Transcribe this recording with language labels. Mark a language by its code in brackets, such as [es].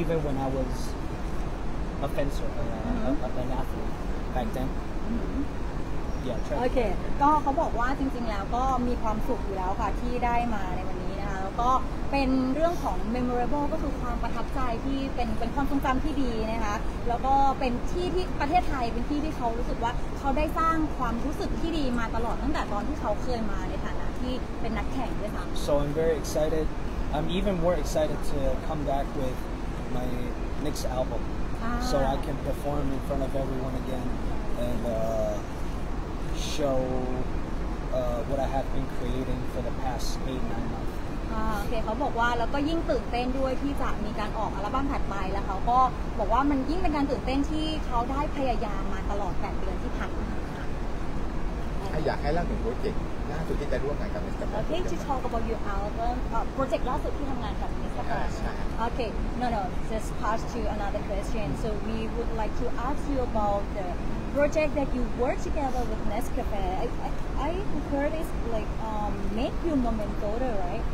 [en] Even when I was a fencer, an athlete back then. Mm-hmm. Yeah, try. [th] Okay, ก็เขาบอกว่าจริงๆแล้วก็มีความสุขอยู่แล้วค่ะที่ได้มาในวันนี้นะคะแล้วก็เป็นเรื่องของ memorable ก็คือความประทับใจที่เป็นความทรงจำที่ดีนะคะแล้วก็เป็นที่ที่ประเทศไทยเป็นที่ที่เขารู้สึกว่าเขาได้สร้างความรู้สึกที่ดีมาตลอดตั้งแต่ตอนที่เขาเคยมาในฐานะที่เป็นนักแข่งด้วยค่ะ [en] So I'm very excited. I'm even more excited to come back with my next album. So I can perform in front of everyone again and show what I have been creating for the past 8-9 months. [th] โอเคเขาบอกว่าแล้วก็ยิ่งตื่นเต้นด้วยที่จะมีการออกอัลบั้มถัดไปแล้วเขาก็บอกว่ามันยิ่งเป็นการตื่นเต้นที่เขาได้พยายามมาตลอด8เดือนที่ผ่านมา อยากให้เล่าถึงโปรเจกต์ล่าสุดที่จะร่วมงานกับ Nescafe [en] Okay to talk about your album project [th] ล่าสุดที่ทำงานกับ [en] Nescafe Okay no just pass to another question so we would like to ask you about the project that you work together with Nescafe I heard it's like make your memento right